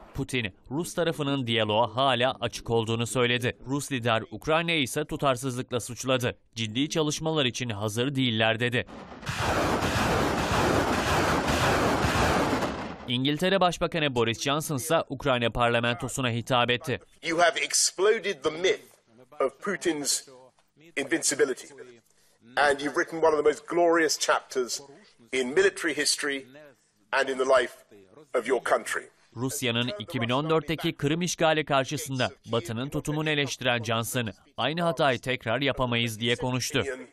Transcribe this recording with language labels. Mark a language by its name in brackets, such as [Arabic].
[Turkish] Putin, Rus tarafının diyaloğa hala açık olduğunu söyledi. Rus lider Ukrayna'yı ise tutarsızlıkla suçladı. Ciddi çalışmalar için hazır değiller dedi. İngiltere Başbakanı Boris Johnson ise Ukrayna parlamentosuna hitap etti. [English] You have exploded the myth of Putin's invincibility. And you've written one of the most glorious chapters in military history and in the life of your country. [Turkish] Rusya'nın 2014'teki Kırım işgali karşısında Batı'nın tutumunu eleştiren Johnson, aynı hatayı tekrar yapamayız diye konuştu.